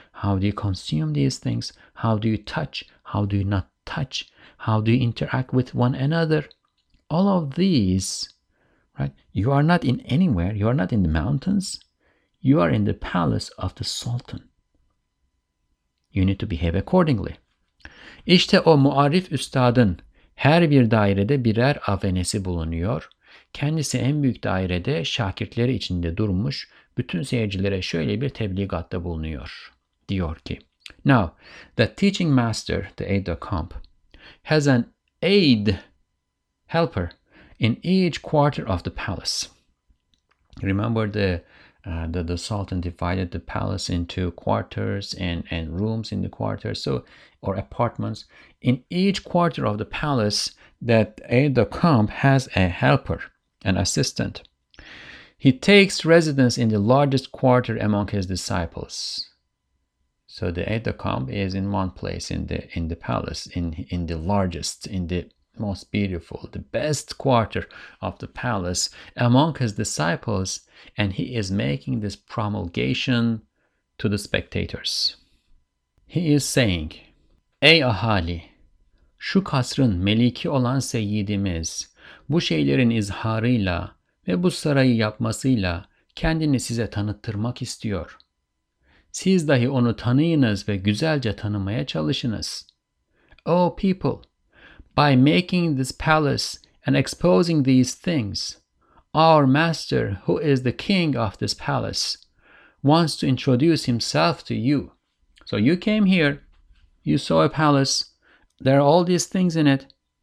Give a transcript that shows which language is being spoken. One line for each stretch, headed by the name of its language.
English: How do you consume these things? How do you touch? How do you not touch? How do you interact with one another? All of these, right? You are not in anywhere. You are not in the mountains. You are in the palace of the Sultan. You need to behave accordingly.
Turkish: İşte o muarif üstadın her bir dairede birer avenesi bulunuyor. Kendisi en büyük dairede şakirtleri içinde durmuş, bütün seyircilere şöyle bir tebligatta bulunuyor. Diyor ki,
English: now, the teaching master, the aide-de-camp, has an aide, helper, in each quarter of the palace. Remember the Sultan divided the palace into quarters and rooms in the quarters, or apartments. In each quarter of the palace, that aide-de-camp has a helper, an assistant. He takes residence in the largest quarter among his disciples. So the aide-de-camp is in one place in the palace, in the largest, in the most beautiful, the best quarter of the palace among his disciples, and he is making this promulgation to the spectators. He is saying,
Turkish: ey ahali, şu kasrın meliki olan seyyidimiz bu şeylerin izharıyla ve bu sarayı yapmasıyla kendini size tanıttırmak istiyor. Siz dahi onu tanıyınız ve güzelce tanımaya çalışınız.
English: O people, By making this palace and exposing these things, our master, who is the king of this palace, wants to introduce himself to you. So you came here, you saw a palace, there are all these things in it.